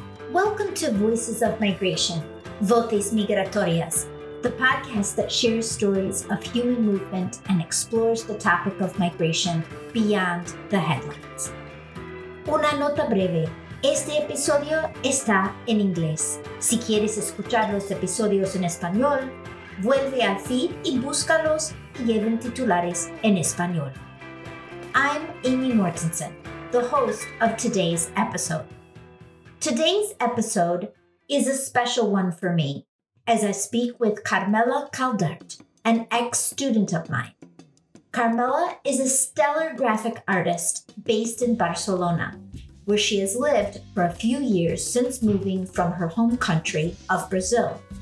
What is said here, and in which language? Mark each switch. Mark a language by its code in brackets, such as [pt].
[en] Welcome to Voices of Migration, Voces Migratorias, the podcast that shares stories of human movement and explores the topic of migration beyond the headlines. [es] Una nota breve. Este episodio está en inglés. Si quieres escuchar los episodios en español, vuelve al feed y búscalos y lleven titulares en español. [en] I'm Amy Mortensen, the host of today's episode. Today's episode is a special one for me as I speak with Carmela Caldart, an ex-student of mine. Carmela is a stellar graphic artist based in Barcelona, where she has lived for a few years since moving from her home country of Brazil.